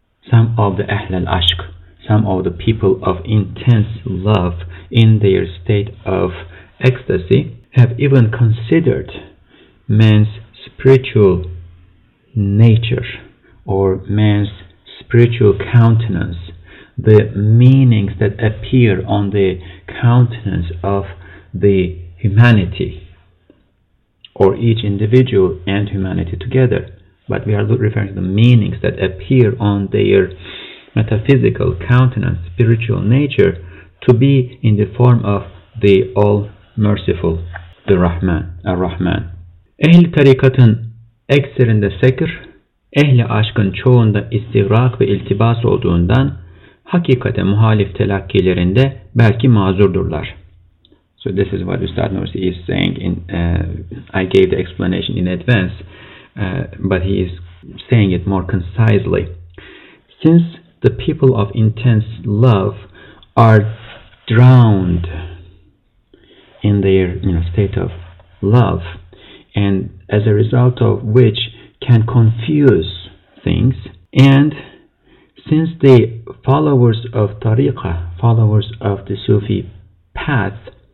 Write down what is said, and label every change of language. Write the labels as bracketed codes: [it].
[en] some of the Ahl al-Ashq, some of the people of intense love in their state of ecstasy, have even considered man's spiritual nature or man's spiritual countenance, the meanings that appear on the countenance of the humanity or each individual and humanity together. But we are referring to the meanings that appear on their metaphysical countenance, spiritual nature, to be in the form of the All-Merciful, the Rahman, Ar-Rahman. [tr] Ehl-i tarikatın ekserinde sekir, ehli aşkın çoğunda istivrak ve iltibas olduğundan hakikate muhalif telakkilerinde belki mazurdurlar. [en] So this is what Ustad Nursi is saying. I gave the explanation in advance, but he is saying it more concisely. Since the people of intense love are drowned in their state of love, and as a result of which can confuse things, and since the followers of tariqah, followers of the Sufi path,